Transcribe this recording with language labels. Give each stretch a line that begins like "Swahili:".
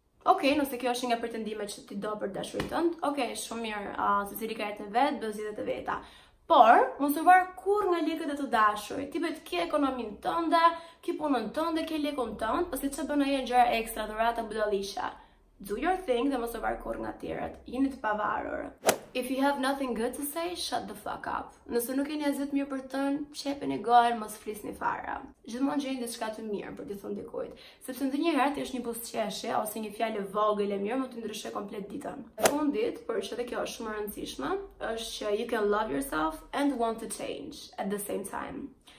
Albanian: Okej, nëse kjo është një nga pretendimet që ti do për dashurinë tënde, okej, shumë mirë, secili ka jetën e vet, bëj zgjedhjet e veta. Por, mos u var kurrë nga lekët e të dashurit. Ti bëhet ke ekonominë tënde, ke punën tënde, ke lekun tënd, pasi çfarë bën ai gjëra ekstra, dhurata, budallisha.
English: Do your thing
Albanian: dhe mos u var kurrë nga tjerët. Jini të pavarur.
English: If you have nothing good to say, shut the fuck up.
Albanian: Nëse nuk keni asgjë të mirë për të thënë, qepeni gojën, mos flisni fare. Gjithmonë gjeni diçka të mirë për t'i thënë dikujt, sepse ndonjëherë ti je një buzëqeshje ose një fjalë vogël e mirë mund të ndryshojë komplet ditën. Fundit, por që edhe kjo është shumë e rëndësishme, është që
English: you can love yourself and want to change at the same time.